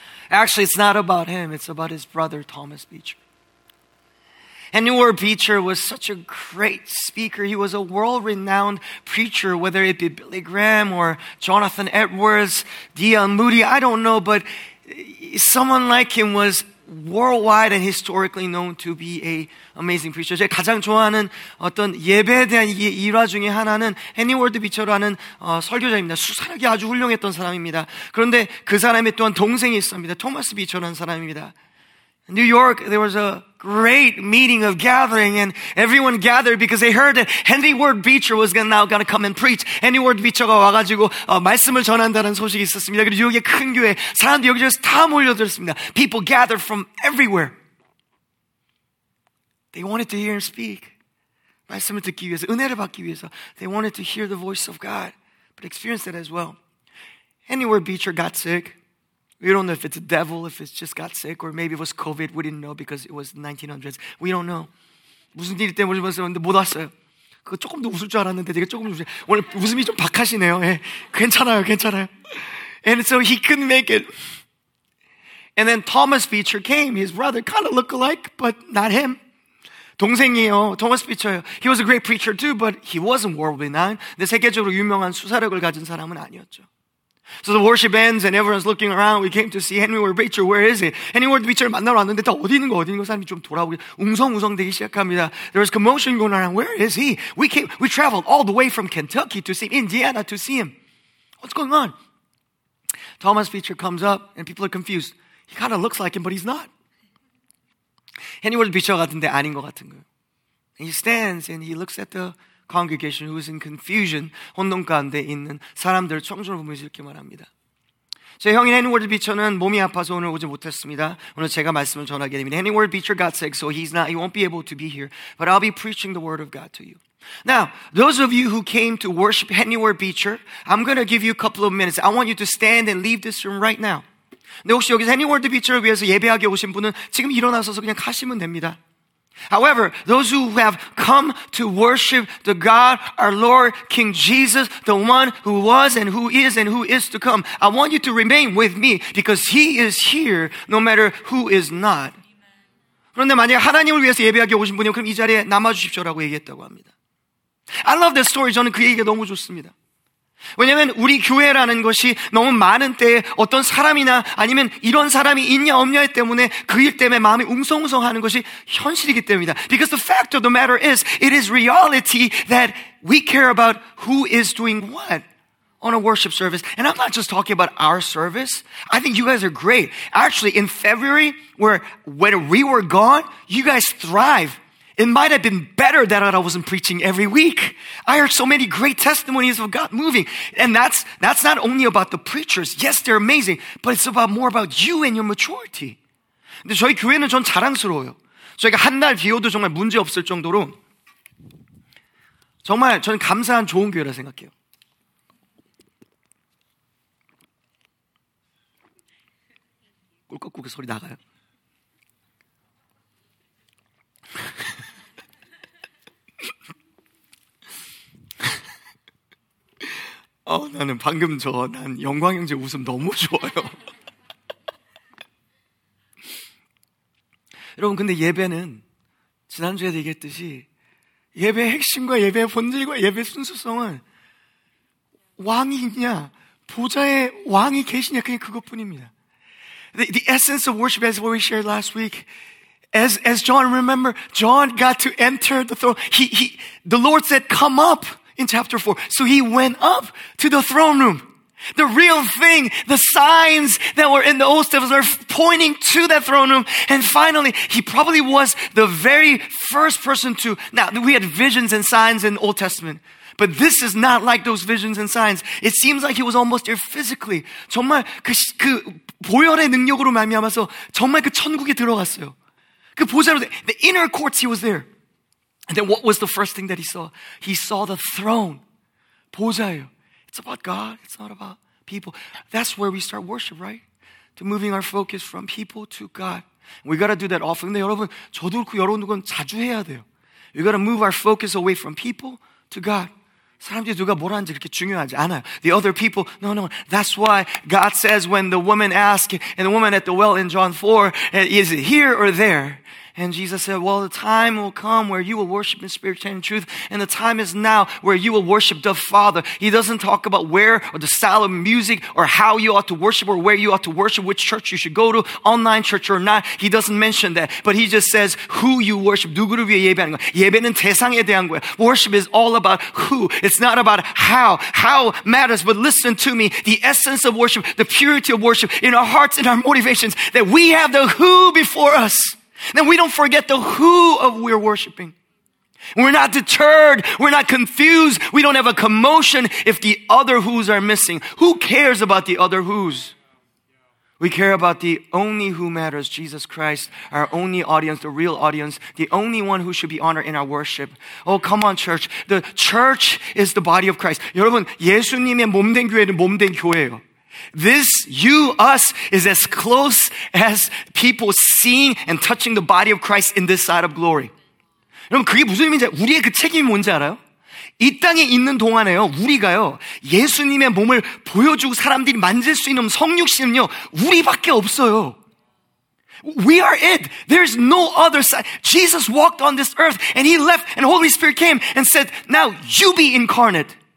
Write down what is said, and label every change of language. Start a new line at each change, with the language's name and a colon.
English: Actually, it's not about him. It's about his brother, Thomas Beecher. Henry Ward Beecher was such a great speaker. He was a world-renowned preacher, whether it be Billy Graham or Jonathan Edwards, D.L. Moody, I don't know, but someone like him was worldwide and historically known to be an amazing preacher.
Korean: 제가 가장 좋아하는 어떤 예배에 대한 일화 중에 하나는 헨리 월드 비처라는 설교자입니다. 수사력이 아주 훌륭했던 사람입니다. 그런데 그 사람의 또한 동생이 있습니다. 토마스 비처라는 사람입니다.
English: New York, there was a great meeting of gathering and everyone gathered because they heard that Henry Ward Beecher was now going to come and preach.
Korean: Henry Ward Beecher가 와가지고 말씀을 전한다는 소식이 있었습니다. 그리고 뉴욕의 큰 교회, 사람들이 여기저기서 다 몰려들었습니다.
English: People gathered from everywhere. They wanted to hear him speak.
Korean: 말씀을 듣기 위해서, 은혜를 받기 위해서.
English: They wanted to hear the voice of God, but experienced it as well. Henry Ward Beecher got sick. We don't know if it's a devil, if it's just got sick, or maybe it was COVID. We didn't know because it was the 1900s. We don't know.
Korean: 무슨 일 때문에 왔었는데 못 왔어요. 그거 조금 더 웃을 줄 알았는데 되게 조금 웃으세요. 오늘 웃음이 좀 박하시네요. 예. 괜찮아요, 괜찮아요.
English: And so he couldn't make it. And then Thomas Beecher came. His brother kind of looked alike, but not him.
Korean: 동생이에요.
English: Thomas Beecher요. He was a great preacher too, but he wasn't worldly known.
Korean: 근데 세계적으로 유명한 수사력을 가진 사람은 아니었죠.
English: So the worship ends and everyone's looking around. We came to see Henry Ward Beecher. Where is he?
Korean: Henry Ward Beecher를 만나러 왔는데 다 어디 있는 거 어디 있는 거 사람이 좀 돌아오고 웅성웅성 되기 시작합니다.
English: There was commotion going around. Where is he? We traveled all the way from Kentucky to see Indiana to see him. What's going on? Thomas Beecher comes up and people are confused. He kind of looks like him, but he's not. Henry Ward Beecher
Korean: 같은데 아닌 것 같은 거예요.
English: He stands and he looks at the congregation who is in confusion,
Korean: 혼돈 가운데 있는 사람들을 청중을 보면서 이렇게 말합니다. 제 형인 헨리 월드 비처는 몸이 아파서 오늘 오지 못했습니다. 오늘 제가 말씀을 전하게 됩니다.
English: Henry Ward Beecher got sick, so he won't be able to be here. But I'll be preaching the word of God to you. Now, those of you who came to worship Henry Ward Beecher, I'm going to give you a couple of minutes. I want you to stand and leave this room right now.
Korean: 근데 혹시 여기서 헨리 월드 비처를 위해서 예배하게 오신 분은 지금 일어나셔서 그냥 가시면 됩니다.
English: However, those who have come to worship the God, our Lord, King Jesus, the one who was and who is to come, I want you to remain with me because he is here no matter who is not.
Korean: 그런데 만약에 하나님을 위해서 예배하기 오신 분이요, 그럼 이 자리에 남아주십시오라고 얘기했다고 합니다.
English: I love this story.
Korean: 저는 그 얘기가 너무 좋습니다. 왜냐하면 우리 교회라는 것이 너무 많은 때에 어떤 사람이나 아니면 이런 사람이 있냐 없냐에 때문에 그 일 때문에 마음이 웅성웅성하는 것이 현실이기 때문이다.
English: Because the fact of the matter is, it is reality that we care about who is doing what on a worship service. And I'm not just talking about our service. I think you guys are great. Actually, in February, when we were gone, you guys thrive. It might have been better that I wasn't preaching every week. I heard so many great testimonies of God moving. And that's not only about the preachers. Yes, they're amazing. But it's about more about you and your maturity.
Korean: 근데 저희 교회는 전 자랑스러워요. 저희가 한 달 비워도 정말 문제 없을 정도로 정말 저는 감사한 좋은 교회라 생각해요. 꿀꺽꿀꺽 소리 나가요. 나는 방금 난 영광 형제 웃음 너무 좋아요. 여러분, 근데 예배는 지난주에 얘기했듯이 예배의 핵심과 예배의 본질과 예배의 순수성은 왕이 있냐, 보좌에 왕이 계시냐, 그냥 그것뿐입니다.
English: The essence of worship is what we shared last week. As John, remember, John got to enter the throne. The Lord said, come up. In chapter 4, so he went up to the throne room. The real thing, the signs that were in the Old Testament are pointing to that throne room. And finally, he probably was the very first person to... Now, we had visions and signs in the Old Testament, but this is not like those visions and signs. It seems like he was almost there physically.
Korean: 정말 그 보혈의 능력으로 말미암아서 정말 그 천국에 들어갔어요. 그 보좌로,
English: the inner courts, he was there. And then what was the first thing that he saw? He saw the throne.
Korean: 보좌예요.
English: It's about God. It's not about people. That's where we start worship, right? To moving our focus from people to God. We got to do that often.
Korean: 근데 여러분, 저도 그렇고 여러분도 그건 자주 해야 돼요.
English: We got to move our focus away from people to God.
Korean: 사람들이 누가 뭘 하는지 그렇게 중요하지 않아요.
English: The other people, no, no. That's why God says when the woman asked, and the woman at the well in John 4, is it here or there? And Jesus said, well, the time will come where you will worship in spirit and in truth, and the time is now where you will worship the Father. He doesn't talk about where or the style of music or how you ought to worship or where you ought to worship, which church you should go to, online church or not. He doesn't mention that. But he just says who you worship.
Korean: 누구를 위해 예배하는 거야? 예배는 대상에 대한 거야.
English: Worship is all about who. It's not about how. How matters. But listen to me. The essence of worship, the purity of worship in our hearts and our motivations, that we have the who before us. Then we don't forget the who of we're worshiping. We're not deterred. We're not confused. We don't have a commotion if the other who's are missing. Who cares about the other who's? We care about the only who matters, Jesus Christ, our only audience, the real audience, the only one who should be honored in our worship. Oh, come on, church. The church is the body of Christ.
Korean: 여러분, 예수님의 몸된 교회는 몸된 교회예요.
English: This, you, us, is as close as people seeing and touching the body of Christ in this side of glory.
Korean: 여러분, 그게 무슨 의미인지 알아요? 우리의 그 책임이 뭔지 알아요? 이 땅에 있는 동안에요, 우리가요, 예수님의 몸을 보여주고 사람들이 만질 수 있는 성육신은요, 우리밖에 없어요.
English: We are it. There's no other side. Jesus walked on this earth and he left and Holy Spirit came and said, now you be incarnate.